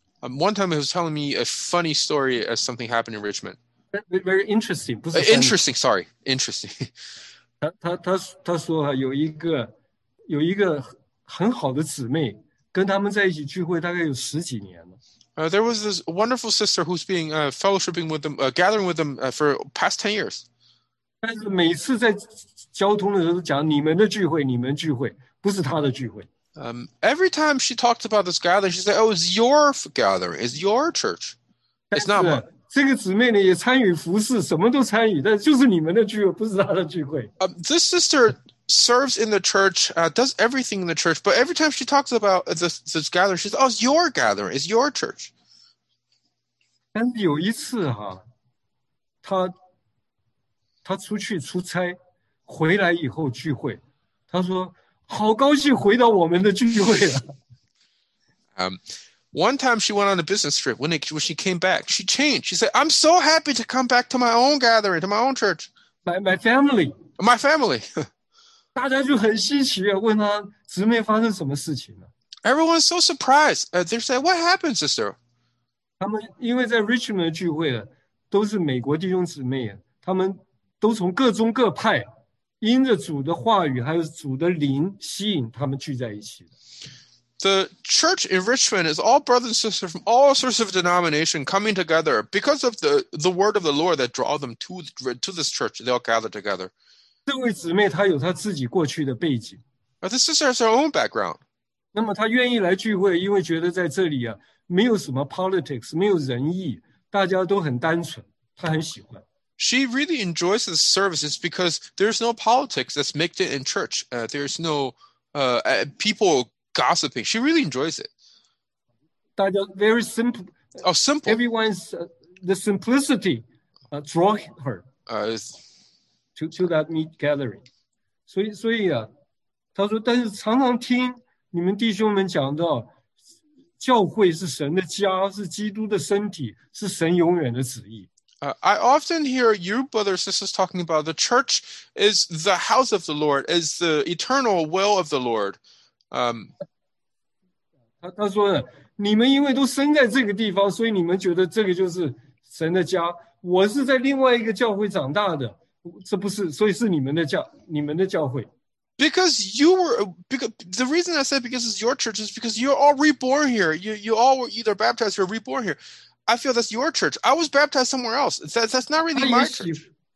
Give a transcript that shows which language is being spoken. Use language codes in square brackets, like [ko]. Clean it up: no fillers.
[en] One time he was telling me a funny story as something happened in Richmond. Very interesting. Interesting, sorry. Interesting. [zh] 他说有一个很好的姊妹跟他们在一起聚会大概有十几年了。 [en] There was this wonderful sister who's been fellowshipping with them, gathering with them for past 10 years. [zh] 但是每次在交通的时候讲你们聚会不是他的聚会。 [en] Every time she talks about this gathering, she said, oh, it's your gathering, it's your church. It's not mine. [zh] 这个姊妹呢也参与服事，什么都参与，但就是你们的聚会，不是她的聚会。 [en] This sister serves in the church, does everything in the church, but every time she talks about this gathering, she says, oh, it's your gathering, it's your church. [zh] 但是有一次啊，她出去出差，回来以后聚会，她说好高兴回到我们的聚会了。 [en] One time she went on a business trip. When she came back, she changed. She said, I'm so happy to come back to my own gathering, to my own church. My family. My family. [zh] 大家就很稀奇啊，问她姊妹发生什么事情了。 [en] Everyone's so surprised. They said, what happened, sister? [zh] 他们因为在 Richmond 聚会了，都是美国弟兄姊妹，他们都从各宗各派因着主的话语还有主的灵吸引他们聚在一起。 [en] The church in Richmond is all brothers and sisters from all sorts of denominations coming together because of the word of the Lord that draw them to this church. They all gather together. [zh] 这位姊妹她有她自己过去的背景。 [en] This sister has her own background. [zh] 那么她愿意来聚会，因为觉得在这里啊，没有什么 politics， 没有仁义，大家都很单纯，她很喜欢。 [en] She really enjoys the services because there's no politics that's mixed in church. There's no people gossiping. She really enjoys it. [zh] 大家 [en] very simple. Oh, simple. Everyone's the simplicity draw her to that meet gathering. [zh] 所以啊，他说，但是常常听你们弟兄们讲到，教会是神的家，是基督的身体，是神永远的旨意。 [en] I often hear you brothers and sisters talking about the church is the house of the Lord, is the eternal will of the Lord. [zh] 他说呢，你们因为都生在这个地方，所以你们觉得这个就是神的家。我是在另外一个教会长大的，这不是，所以是你们的教会。 [en] Because you were, because the reason I said because it's your church is because you're all reborn here. You all were either baptized or reborn here. I feel that's your church. I was baptized somewhere else. That's not really my church.